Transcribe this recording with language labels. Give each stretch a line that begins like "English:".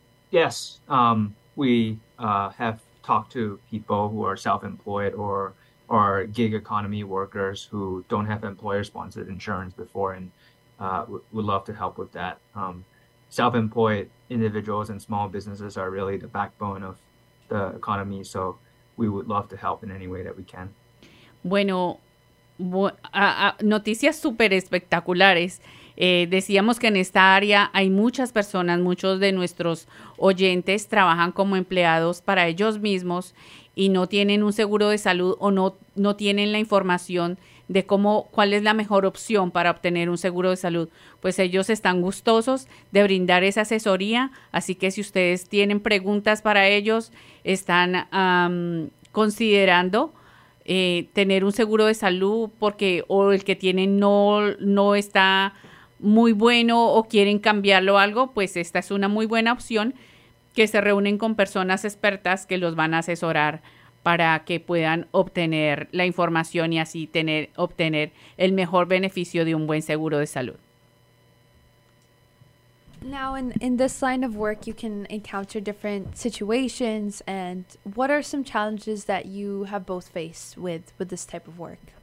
English: Yes, we have talked to people who are self-employed or are gig economy workers who don't have employer-sponsored insurance before, and would love to help with that. Self-employed individuals and small businesses are really the backbone of the economy, so we would love to help in any way that we can.
Spanish: Bueno, noticias super espectaculares. Decíamos que en esta área hay muchas personas, muchos de nuestros oyentes trabajan como empleados para ellos mismos y no tienen un seguro de salud o no tienen la información de cuál es la mejor opción para obtener un seguro de salud. Pues ellos están gustosos de brindar esa asesoría, así que si ustedes tienen preguntas para ellos, están considerando tener un seguro de salud, porque o el que tienen no está muy bueno o quieren cambiarlo o algo, pues esta es una muy buena opción, que se reúnen con personas expertas que los van a asesorar para que puedan obtener la información y así tener obtener el mejor beneficio de un buen seguro de salud.
English: Now, in this line of work, you can encounter different situations. And what are some challenges that you have both faced with this type of work?